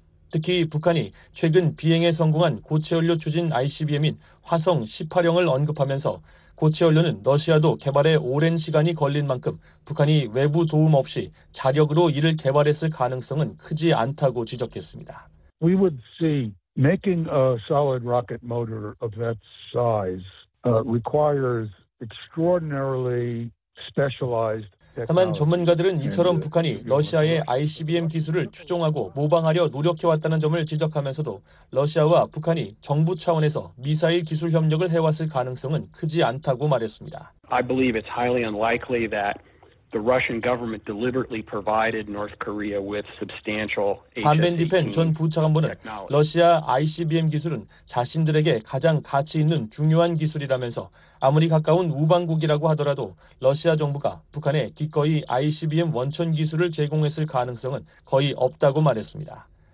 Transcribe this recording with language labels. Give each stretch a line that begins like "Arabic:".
Korean: 특히 북한이 최근 비행에 성공한 고체연료 추진 ICBM인 화성 18형을 언급하면서 고체연료는 러시아도 개발에 오랜 시간이 걸린 만큼 북한이 외부 도움 없이 자력으로 이를 개발했을 가능성은 크지 않다고 지적했습니다.
English: We would see making a solid rocket motor of that size requires extraordinarily specialized.
Korean: 다만 전문가들은 이처럼 북한이 러시아의 ICBM 기술을 추종하고 모방하려 노력해왔다는 점을 지적하면서도 러시아와 북한이 정부 차원에서 미사일 기술 협력을 해왔을 가능성은 크지 않다고 말했습니다.
English: I believe it's highly unlikely that the Russian government deliberately provided North Korea with substantial HS18.
Korean: 반벤디펜 전 부차관보는 러시아 ICBM 기술은 자신들에게 가장 가치 있는 중요한 기술이라면서 아무리 가까운 우방국이라고 하더라도 러시아 정부가 북한에 기꺼이 ICBM 원천 기술을 제공했을 가능성은 거의 없다고 말했습니다.